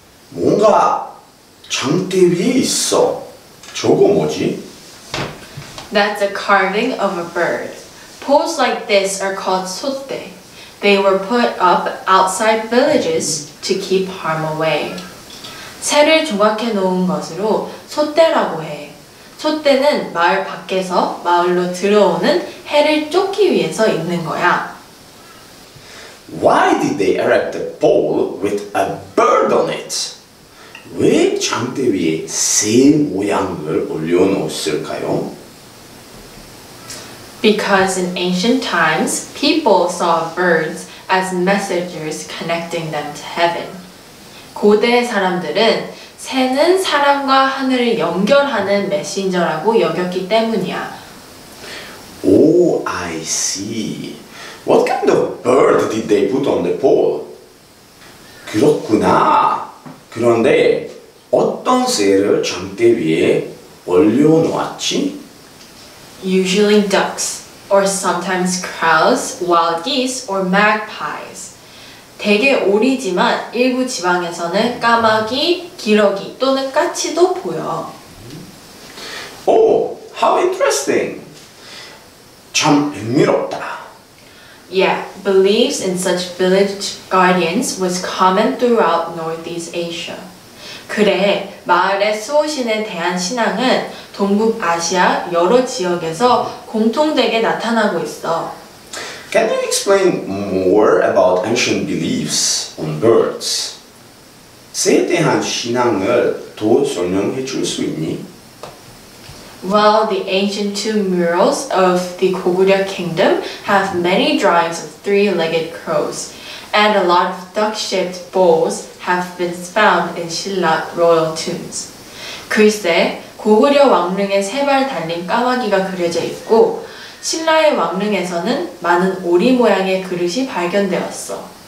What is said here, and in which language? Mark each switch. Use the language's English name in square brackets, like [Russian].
[Korean] 뭔가 장대 위에 있어. 저거 뭐지? [English] That's a carving of a bird. Poles like this are called Sotdae. They were put up outside villages to keep harm away. [Korean] 새를 조각해 놓은 것으로 Sotdae라고 해. 촛대는 마을 밖에서 마을로 들어오는 해를 쫓기 위해서 있는 거야. [English] Why did they erect a pole with a bird on it? [Korean] 왜 장대 위에 새 모양을 올려놓았을까요? [English] Because in ancient times, people saw birds as messengers connecting them to heaven. [Korean] 고대 사람들은 새는 사람과 하늘을 연결하는 메신저라고 여겼기 때문이야. [English] Oh, I see. What kind of bird did they put on the pole? [Korean] 그렇구나. 그런데 어떤 새를 장대 위에 올려놓았지? [English] Usually ducks, or sometimes crows, wild geese, or magpies. [Korean] 대개 오리지만 일부 지방에서는 까마귀, 기러기 또는 까치도 보여. [English] Oh, how interesting. [Korean] 참 흥미롭다. [English] Yeah, beliefs in such village guardians was common throughout Northeast Asia. [Korean] 그래, 마을의 수호신에 대한 신앙은 동북아시아 여러 지역에서 공통되게 나타나고 있어. [English] Can you explain more about ancient beliefs on birds? [Korean] 새에 대한 신앙을 더 설명해 줄 수 있니? [English] Well, the ancient tomb murals of the Koguryeo Kingdom have many drawings of three-legged crows, and a lot of duck-shaped bowls have been found in Silla royal tombs. [Korean] 글쎄, 고구려 왕릉에 세 발 달린 까마귀가 그려져 있고, 신라의 왕릉에서는 많은 오리 모양의 그릇이 발견되었어.